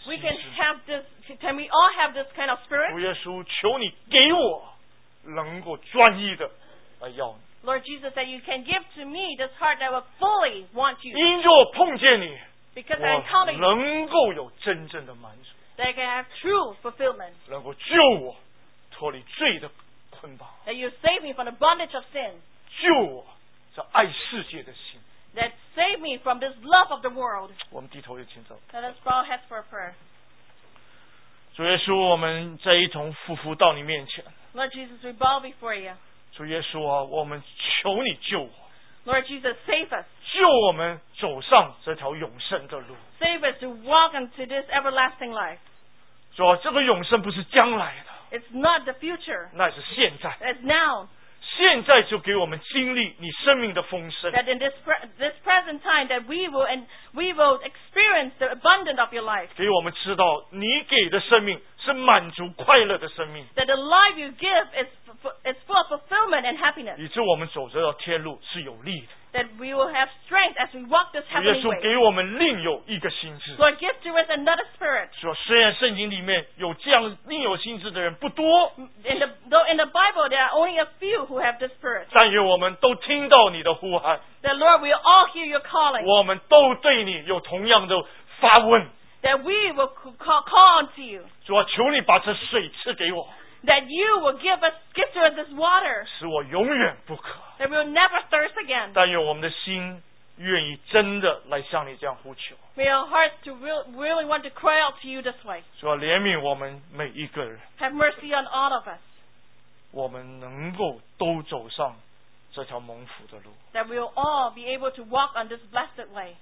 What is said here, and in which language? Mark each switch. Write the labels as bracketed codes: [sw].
[en] We can have this, can we all have this kind of spirit? [zh] 主耶稣，求你给我。能够专一的来要你。 [en] Lord Jesus, that you can give to me this heart that will fully want you. [zh] 因着我碰见你， [en] because I encounter you, [zh] 能够有真正的满足。 [en] That I can have true fulfillment. [zh] 能够救我脱离罪的捆绑。 [en] That you save me from the bondage of sin. [zh] 救我这爱世界的心。 [en] That save me from this love of the world. [zh] 我们低头就请走。 [en] Let us bow heads for a prayer. [zh] 主耶稣，我们这一同匍匐到你面前。 [en] Lord Jesus, we bow before you. [zh] 主耶稣啊，我们求你救我。 [en] Lord Jesus, save us. [zh] 救我们走上这条永生的路。 [en] Save us to walk into this everlasting life. [zh] 主啊，这个永生不是将来的。 [en] It's not the future. [zh] 那是现在。 [en] It's now. [zh] 现在就给我们经历你生命的丰盛。 [en] That in this present time that we will experience the abundance of your life. [zh] 给我们知道你给的生命。是满足快乐的生命。 [en] That the life you give is full of fulfillment and happiness. [zh] 以致我们走这条天路是有力的。 [en] That we will have strength as we walk this heavenly way. [zh] 主耶稣给我们另有一个心智。 [en] Lord, give to us another spirit. [zh] 说虽然圣经里面有这样另有心智的人不多。 [en] In the Bible, there are only a few who have this spirit. [zh] 但愿我们都听到你的呼喊。 [en] That Lord, we all hear your calling. [zh] 我们都对你有同样的发问。 [en] That we will call unto you. [zh] 主啊，求你把这水赐给我。 [en] That you will give to us this water. [zh] 使我永远不渴。 [en] That we will never thirst again. [zh] 但愿我们的心愿意真的来向你这样呼求。 [en] May our hearts to really want to cry out to you this way. [zh] 主啊，怜悯我们每一个人。 [en] Have mercy on all of us. [zh] 我们能够都走上这条蒙福的路。 [en] That we will all be able to walk on this blessed way.